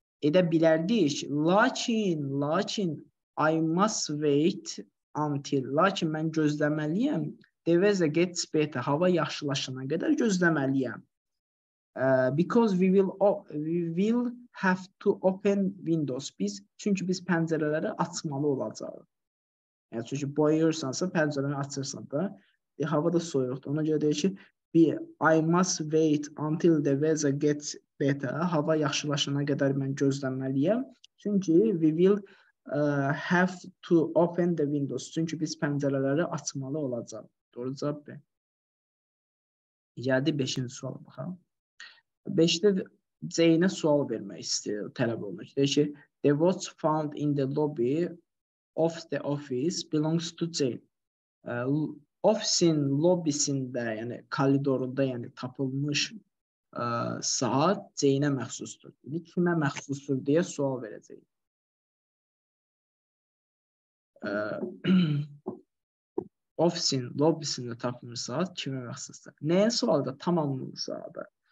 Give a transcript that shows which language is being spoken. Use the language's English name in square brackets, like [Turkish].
[Azerbaijani] Edə bilərdik. Lakin, [English] I must wait until, [Azerbaijani] lakin mən gözləməliyəm, [English] the weather gets better, [Azerbaijani] hava yaxşılaşana qədər gözləməliyəm. [English] Because we will have to open windows. [Azerbaijani] Çünki biz pəncərələri açmalı olacağıq. Yəni, çünki boyuyursansa, pəncərələri açırsan da, hava da soyuqdur. Ona görə deyir ki, Bir, [English] I must wait until the weather gets better. [Azerbaijani] Hava yaxşılaşana qədər mən gözləməliyəm. Çünki [English] we will have to open the windows. [Azerbaijani] Çünki biz pəncərələri açmalı olacaq. Doğru cavab B. Yəni 5-ci sual baxaq. 5-də Zeynə sual vermək istəyir, tələb olunur. Deyir ki, [English] the watch found in the lobby of the office belongs to Jane. [Azerbaijani] Ofisin lobisində, yəni koridorunda, yəni tapılmış saat Jane-ə məxsusdur. Yəni kimə məxsusdur deyə sual verəcək. Ofisin lobisində tapılmış saat kimə məxsusdur? Nəyə sualda tamamlanırsa da.